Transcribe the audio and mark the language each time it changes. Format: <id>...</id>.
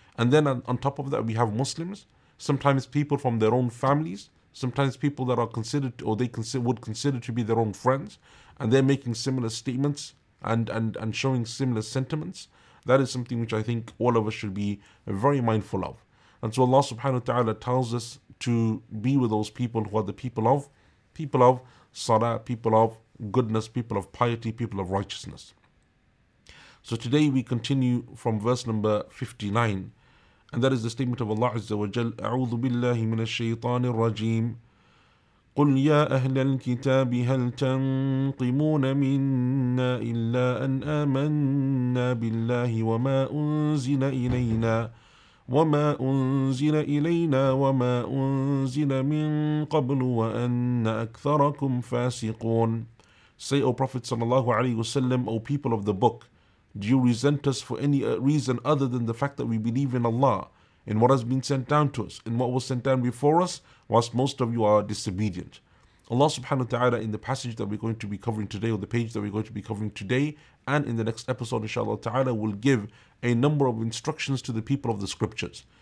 <en>And then on top of that, we have Muslims, sometimes people from their own families, sometimes people that are considered, or they would consider to be their own friends, and they're making similar statements and showing similar sentiments. That is something which I think all of us should be very mindful of. And so Allah subhanahu wa ta'ala tells us to be with those people who are the people of salah, people of goodness, people of piety, people of righteousness. So today we continue from verse number 59, and that is the statement of Allah Azza wa Jal,</en> <ar>أعوذ بالله من الشيطان الرجيم قل يا أهل الكتاب هل تنقمون منا إلا أن آمنا بالله وما أنزل إلينا وما أنزل إلينا وما أنزل من قبل وأن أكثركم فاسقون.</ar> <en>Say, O Prophet sallallahu alayhi wa sallam, O people of the book, do you resent us for any reason other than the fact that we believe in Allah, in what has been sent down to us, in what was sent down before us, whilst most of you are disobedient? Allah subhanahu wa ta'ala, in the passage that we're going to be covering today, or the page that we're going to be covering today, and in the next episode inshallah ta'ala, will give a number of instructions to the people of the scriptures.</en>